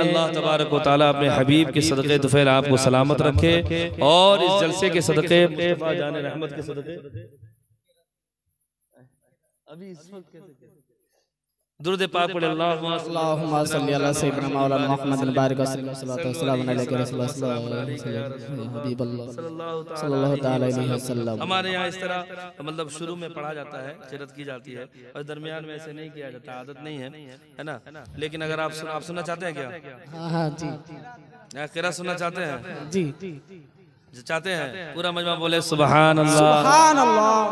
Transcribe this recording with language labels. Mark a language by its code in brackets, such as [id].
[hi] अल्लाह तबारक व तआला अपने हबीब के सदके दुफैल आपको सलामत रखे, और इस जलसे के सदके मुस्तफा जाने रहमत के सदके अभी इस वक्त कहते हैं दुरूद पाक पढ़े। [ar] اللهم صل على سيدنا مولانا محمد البارك وسلم الصلاه والسلام عليك رسول الله حبيب الله صلى الله تعالى عليه وسلم। [hi] हमारे यहां इस तरह मतलब शुरू में पढ़ा जाता है, चरत की जाती है, और दरमियान में ऐसे नहीं किया जाता, आदत नहीं है, है ना। लेकिन अगर आप सुनना चाहते हैं क्या? हां हां जी, आखिरा सुनना चाहते हैं जी, चाहते हैं पूरा मजमा बोले सुभान अल्लाह, सुभान अल्लाह।